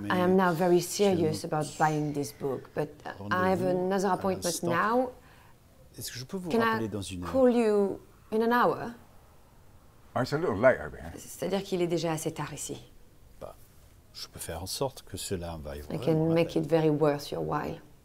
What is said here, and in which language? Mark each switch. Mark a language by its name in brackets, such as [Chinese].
[English] I am now very serious about buying this book, but I have another appointment now. [French] Est-ce que je peux vous rappeler dans une heure? [English] Can I call you in an hour? Oh, it's a little late over here. [French] C'est-à-dire qu'il est déjà assez tard ici. Je peux faire en sorte que cela vaille vraiment. [English] I can make it very worth your while.